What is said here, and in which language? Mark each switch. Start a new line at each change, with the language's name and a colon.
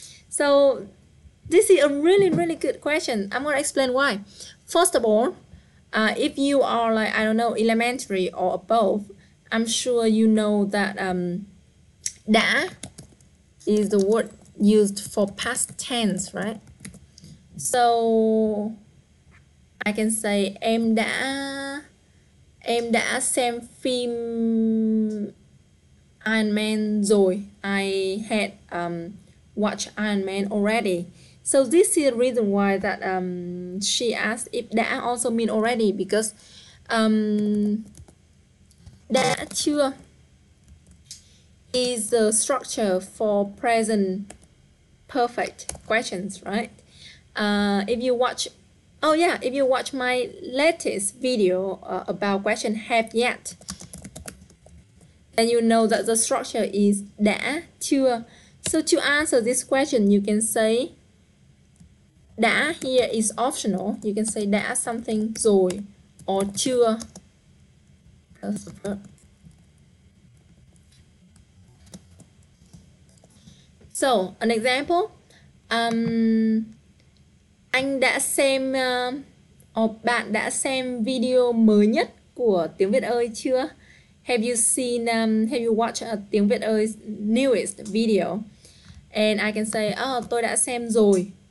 English: So this is a really good question. I'm gonna explain why. First of all, if you are like, I don't know, elementary or above, I'm sure you know that đã is the word used for past tense, right? So I can say
Vietnamese: em đã xem phim Iron Man rồi.
English: I had watched Iron Man already. So this is the reason why that she asked if đã also mean already, because đã chưa is the structure for present perfect questions, right? If you watch, oh yeah, if you watch my latest video about question have yet, then you know that the structure is đã chưa. So to answer this question, you can say đã here is optional. You can say đã something rồi or chưa. That's the verb. So an example,
Vietnamese: anh đã xem or bạn đã xem video mới nhất của Tiếng Việt ơi chưa?
English: Have you seen have you watched Tiếng Việt ơi's newest video? And I can say, oh,
Vietnamese: tôi đã xem rồi.